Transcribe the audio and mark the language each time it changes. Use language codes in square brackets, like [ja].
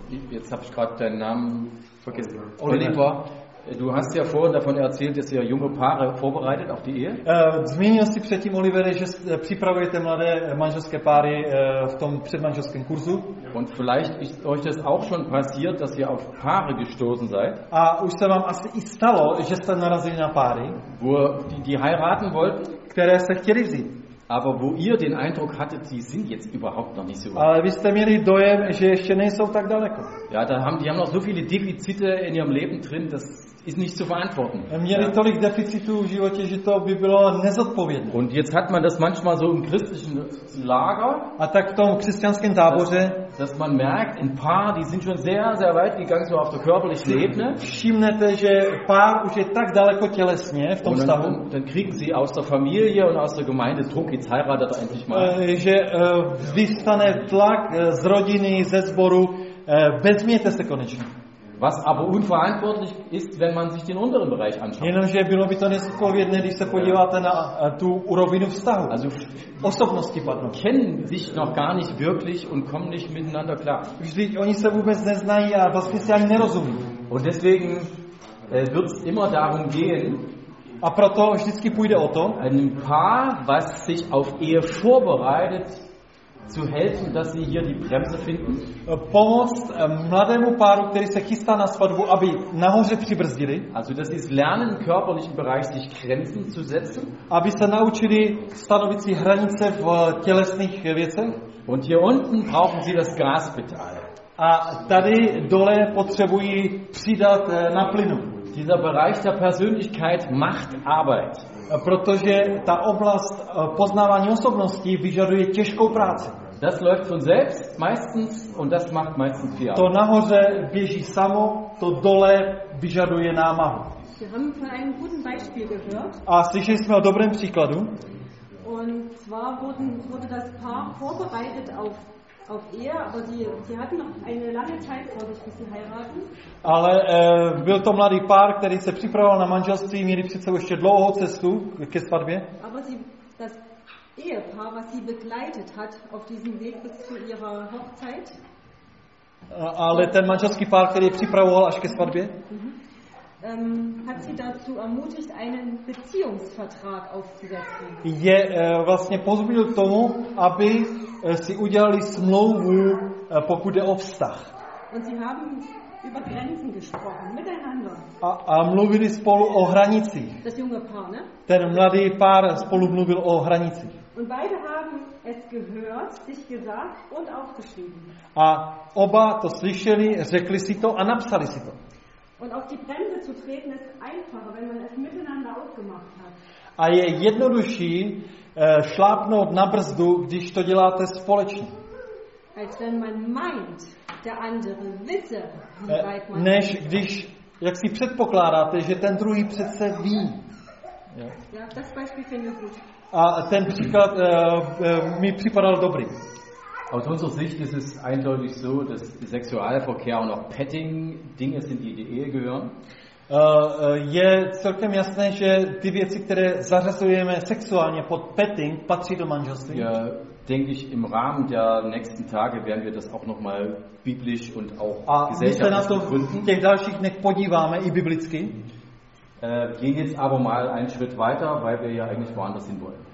[de] Jetzt habe ich gerade deinen Namen vergessen. Oliver. Du hast ja vorhin davon erzählt, dass ihr junge Paare vorbereitet auf die Ehe. [cs] Zmínil jsi předtím, Olivere, že připravujete mladé manželské páry v tom předmanželském kurzu. [de] Und vielleicht ist euch das auch schon passiert, dass ihr auf Paare gestoßen seid. [cs] A už se vám asi i stalo, že jste narazili na páry, [de] wo die heiraten wollten, [cs] které jste chtěli vzít. [de] Aber wo ihr den Eindruck hattet, sie sind jetzt überhaupt noch nicht so weit. [cs] Ale vy jste měli dojem, že ještě nejsou tak daleko. [de] Ja, da haben die haben noch so viele Defizite in ihrem Leben drin, das ist nicht zu verantworten. [cs] Měli tolik deficitů v životě, že to by bylo nezodpovědné. [de] Und jetzt hat man das manchmal so im christlichen Lager. [cs] A tak v tom křesťanském táboře, [de] dass man merkt, ein paar, die sind schon sehr, sehr weit gegangen, so auf der körperlichen Ebene. [cs] Všimnete, že pár už je tak daleko tělesně v tom stavu. [de] Und dann kriegen sie aus der Familie und aus der Gemeinde Druck, jetzt heiratet endlich mal. [cs] Že vystane tlak z rodiny, ze sboru, vezměte se konečně. [de] Was aber unverantwortlich ist, wenn man sich den unteren Bereich anschaut. [cs] Jenomže bylo by to nezodpovědné, když se podíváte na tu úrovinu vztahu. Also osobnosti partnerů. [de] Kennen sich noch gar nicht wirklich und kommen nicht miteinander klar. [cs] Vždyť oni se vůbec neznají a vlastně si ani nerozumí. [de] Und deswegen wird's immer darum gehen. [cs] A proto vždycky půjde o to. [de] Ein Paar, was sich auf Ehe vorbereitet, zu helfen, dass sie hier die Bremse finden. [cs] Pomoct mladému páru, který se chystá na svatbu, aby nahoře přibrzdili. [de] Also dass sie lernen, im körperlichen Bereich sich Grenzen zu setzen. [cs] Aby se naučili stanovit si hranice v tělesných věcech. [de] Und hier unten brauchen sie das Gaspedal. [cs] A tady dole potřebují přidat na plynu. [de] Dieser Bereich der Persönlichkeit macht Arbeit. [cs] Protože ta oblast poznávání osobnosti vyžaduje těžkou práci. [de] Das läuft von selbst meistens und das macht meistens viel Arbeit. [cs] To nahoře běží samo, to dole vyžaduje námahu. [de] Wir haben von einem guten Beispiel gehört. [cs] A slyšeli jsme o dobrém příkladu. [de] Und zwar wurde das Paar vorbereitet auf Ehe, aber sie hatten noch eine lange Zeit vor sich, bis sie heiraten. [cs] Ale byl to mladý pár, který se připravoval na manželství, měli před sebou ještě dlouhou cestu ke svatbě. [de] Aber das Ehepaar, was sie begleitet hat auf diesem Weg bis zu ihrer Hochzeit. [cs] Ale ten manželský pár, který je připravoval až ke svatbě. [de] Hat sie dazu ermutigt, einen Beziehungsvertrag aufzusetzen. [cs] Je vlastně pozbudil tomu, aby si udělali smlouvu, pokud jde o vztah. [de] Und sie haben über Grenzen gesprochen miteinander. [cs] A mluvili spolu o hranicích. [de] Das junge Paar, ne? [cs] Ten mladý pár spolu mluvil o hranicích. [de] Und beide haben es gehört, sich gesagt und aufgeschrieben. [cs] A oba to slyšeli, řekli si to a napsali si to. [de] Und auf die Bremse zu treten ist einfacher, wenn man es miteinander ausgemacht hat. [cs] A je jednodušší šlápnout na brzdu, když to děláte společně. [de] Als wenn man meint, der andere wisse, wie weit man [cs] než když, jak si předpokládáte, že ten druhý přece ví. [de] Ja, das Beispiel finde ich gut. [cs] A ten příklad mi připadal dobrý. [de] Aus unserer Sicht ist es eindeutig so, dass Sexualverkehr und auch Petting Dinge sind, die in die Ehe gehören. [cs] Je celkem jasné, že ty věci, které zařazujeme sexuálně pod petting, patří do manželství. [de] Ja, denke ich, im Rahmen der nächsten Tage werden wir das auch noch mal biblisch und auch gesellschaftlich begründen. [cs] V těch dalších dnech podíváme i biblicky. [de] Gehen jetzt aber mal einen Schritt weiter, weil wir ja eigentlich woanders hin wollen.